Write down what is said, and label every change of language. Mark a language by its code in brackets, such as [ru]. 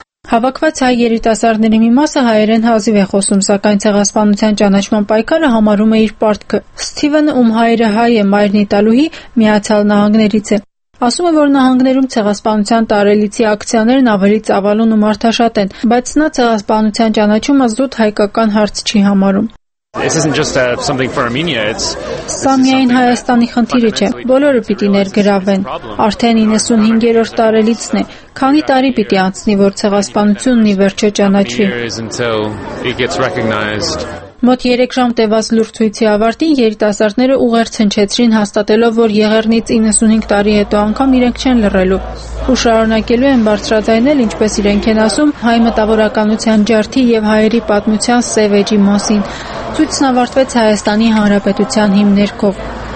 [hy] Հավաքված հայ երիտասարդների մի մասը հայերեն հազիվ է խոսում, սակայն ցեղասպանության ճանաչման պայքարը համարում է իր պարտքը։ Սթիվեն, ում հայրը հայ է, մայրն իտալուհի, Միացյալ Նահանգներից է։ Ասում է, որ նահանգներում ցեղասպանության տարելիցի ակցիաներն ավելի ծավալուն ու մարդաշատ են, բայց նա ցեղասպանության ճանաչումը զուտ հայկական հարց չի համարում։ [en] This isn't just something for Armenia, it's [hy] Սամյայն Հայաստանի խնդիրը չէ, բոլորը պիտի ներգրավեն։ Արդեն 95-րդ տարելիցն է, քանի տարի պիտի անցնի, որ ցեղասպանությունն ի վերջո ճանաչվի։ Մոտ 3 ժամ տևած լուրցույցի ավարտին երիտասարդները ուղերձ հնչեցրին, հաստատելով, որ եղեռնից 95 տարի հետո անգամ իրենք չեն լռելու ու շարունակելու են բարձրաձայնել, ինչպես իրենք են ասում, հայ մտավորականության ջարդի եւ հայերի պատմության սև էջի մասին։ Ցույցն ավարտվեց Հայաստանի Հանրապետության հիմներքով։